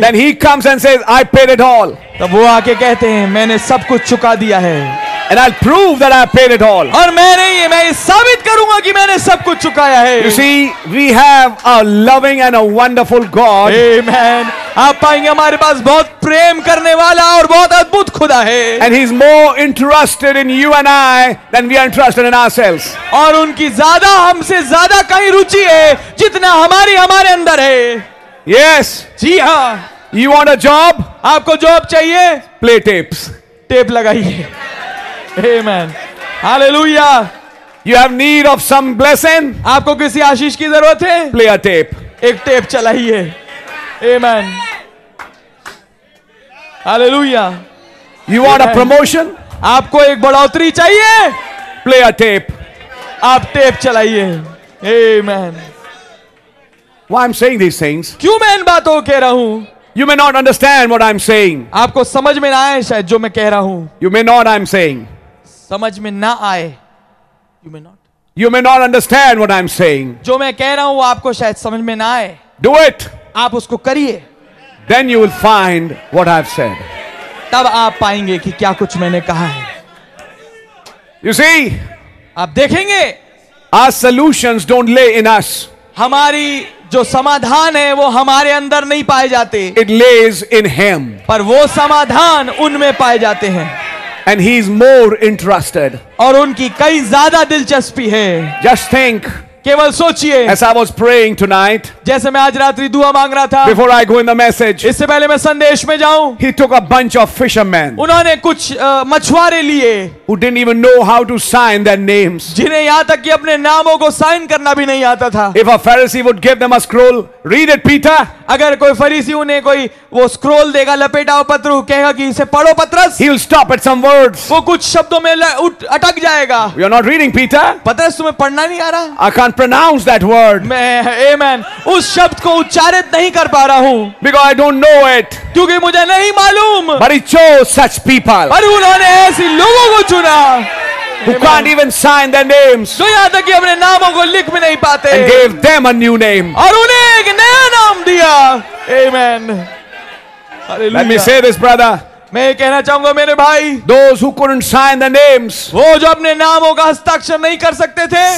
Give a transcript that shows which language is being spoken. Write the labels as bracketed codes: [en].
[en] Then he comes and says, I paid it all. [hi] तब वो आके कहते हैं मैंने सब कुछ चुका दिया है. [en] And I'll prove that I paid it all. [hi] और मैं ये साबित करूंगा कि मैंने सब कुछ चुकाया है. [en] You see, we have a loving and a wonderful God. Amen. [hi] आप पाएंगे हमारे पास बहुत प्रेम करने वाला और बहुत अद्भुत खुदा है. [en] And he's more interested in you and I than we are interested in ourselves. [hi] और उनकी ज्यादा हमसे ज्यादा कहीं रुचि है जितना हमारी हमारे अंदर है. [en] Yes. [hi] जी हाँ. [en] You want a job? [hi] आपको जॉब चाहिए? [en] Play tapes. [hi] टेप लगाइए. Amen. Hallelujah. [en] You have need of some blessing? [hi] आपको किसी आशीष की जरूरत है? [en] Play a tape. [hi] एक टेप चलाइए. Amen. [en] Hallelujah. You want a promotion? [hi] आपको एक बढ़ोतरी चाहिए? [en] Play a tape. [hi] आप टेप चलाइए. Amen. [en] Why I'm saying these things? [hi] क्यों मैं इन बातों को कह रहा हूँ? [en] You may not understand what I'm saying. [hi] आपको समझ में ना आए शायद जो मैं कह रहा हूँ. [en] You may not. I'm saying. [hi] समझ में ना आए. [en] You may not. You may not understand what I'm saying. [hi] जो मैं कह रहा हूँ वो आपको शायद समझ में ना आए. [en] Do it. [hi] आप उसको करिए. [en] Then you will find what I've said. [hi] तब आप पाएंगे कि क्या कुछ मैंने कहा है. [en] You see. [hi] आप देखेंगे. [en] Our solutions don't lay in us. [hi] हमारी जो समाधान है वो हमारे अंदर नहीं पाए जाते. [en] It lays in him. [hi] पर वो समाधान उनमें पाए जाते हैं. [en] And he is more interested. [hi] और उनकी कई ज्यादा दिलचस्पी है. [en] Just think. [hi] केवल सोचिए. [en] As I was praying tonight. [hi] जैसे मैं आज रात्रि दुआ मांग रहा था. [en] Before I go in the message. [hi] इससे पहले मैं संदेश में जाऊं. [en] He took a bunch of fishermen. [hi] उन्होंने कुछ मछुआरे लिए. [en] Who didn't even know how to sign their names. [hi] जिन्हें यहाँ तक कि अपने नामों को साइन करना भी नहीं आता था. [en] If a Pharisee would give them a scroll, read it, Peter. [hi] अगर कोई फरीसी उन्हें कोई वो स्क्रोल देगा लपेटाओ पत्रू कहेगा कि इसे पढ़ो पत्रस. [en] He'll stop at some words. [hi] वो कुछ शब्दों में अटक जाएगा. [en] You're not reading, Peter. [hi] पत्रस तुम्हें पढ़ना नहीं आ रहा. [en] I can't pronounce that word. [hi] मैं amen उस शब्द को उच्चारित नहीं कर पा रहा हूँ. [en] Because I don't know it. [hi] क्योंकि मुझे नहीं मालूम. [en] But he chose such people. [hi] पर उन्होंने ऐसी लोगों को चुना. [en] Who Amen. Can't even sign their names. [hi] So yahan tak ki apne naamon ko likh bhi nahi pate. [en] And gave them a new name. [hi] Aur unhe ek naya naam diya. Amen. [en] Hallelujah. Let me say this, brother. [hi] Main ye kehna chahunga mere bhai. [en] Those who couldn't sign the names. [hi] Wo jo apne naamon ka hastakshar nahi kar sakte the.